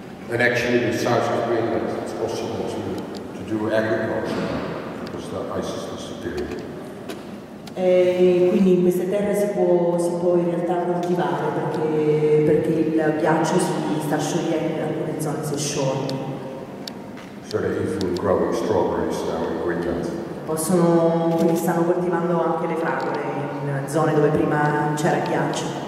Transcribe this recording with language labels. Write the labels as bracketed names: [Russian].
[English] And actually, in South of Greenland, it's possible to do agriculture because the ice is disappearing. [Italian] E quindi in queste terre si può in realtà coltivare perché il ghiaccio si sta sciogliendo in alcune zone, si scioglie. [English] So they're even growing strawberries now in Greenland. [Italian] Possono, quindi stanno coltivando anche le fragole in zone dove prima c'era ghiaccio.